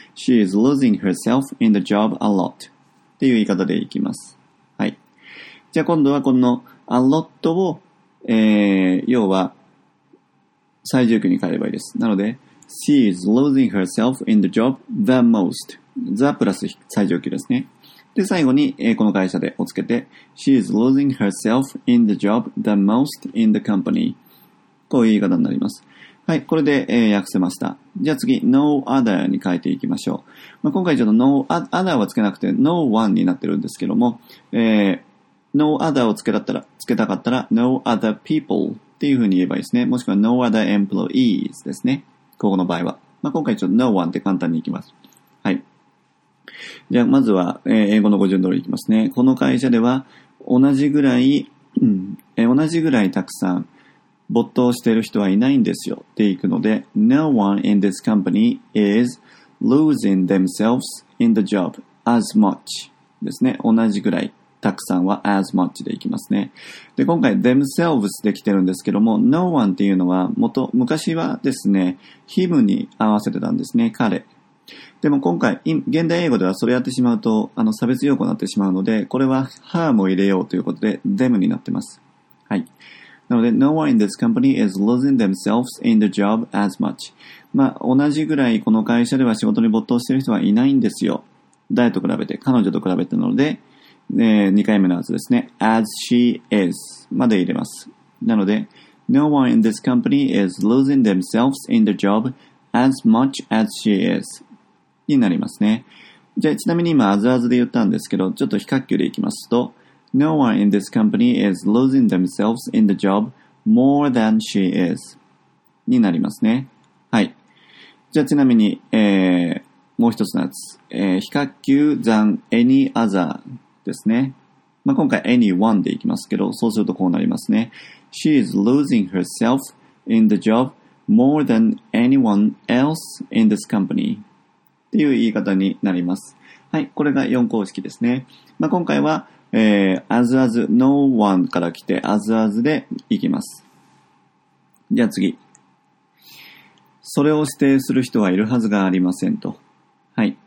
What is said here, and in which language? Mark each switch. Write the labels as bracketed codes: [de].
[en] She is losing herself in the job a lot. [ja] っていう言い方でいきます。はい。じゃあ、今度はこの a lot を、要は、最重句に変えればいいです。なので、 [en] She is losing herself in the job the most. [ja] the プラス最重句ですね。で、最後に、この会社でをつけて、 [en] She is losing herself in the job the most in the company. [ja] こういう言い方になります。はい、これで、訳せました。じゃあ次、No other に変えていきましょう。まあ、今回ちょっと No other はつけなくて、No one になってるんですけども、No other をつけたかったら、 [en] No other people [ja] っていうふうに言えばいいですね。もしくは [en] No other employees [ja] ですね。ここの場合は。まあ、今回ちょっと No one って簡単にいきます。はい。じゃあ、まずは、英語の語順通りいきますね。この会社では、同じぐらい、同じぐらいたくさん、没頭している人はいないんですよ。っていくので、 [en] No one in this company is losing themselves in the job as much. [ja] ですね。同じぐらい、たくさんは as much でいきますね。で、今回、themselves で来てるんですけども、No one っていうのは、昔はですね、him に合わせてたんですね。彼。でも今回、現代英語ではそれやってしまうと、差別用語になってしまうので、これは her も入れようということで、them になってます。はい。 [en] なので、no one in this company is losing themselves in the job as much. [ja] まあ、同じぐらいこの会社では仕事に没頭している人はいないんですよ。誰と比べて、彼女と比べてなので、2回目のやつですね。 [en] as she is [ja] まで入れます。 [en] なので、no one in this company is losing themselves in the job as much as she is. [ja] になりますね。じゃあ、ちなみに今、アズアズで言ったんですけど、ちょっと比較級でいきますと、 [en] No one in this company is losing themselves in the job more than she is. [ja] になりますね。はい。じゃあ、ちなみに、もう一つのやつ。比較級 [en] than any other [ja] ですね。まあ、今回、anyone でいきますけど、そうするとこうなりますね。 [en] She is losing herself in the job more than anyone else in this company. [ja] っていう言い方になります。はい。これが4公式ですね。まあ、今回は、as as no one から来て、as as でいきます。じゃあ次。それを否定する人はいるはずがありませんと。はい。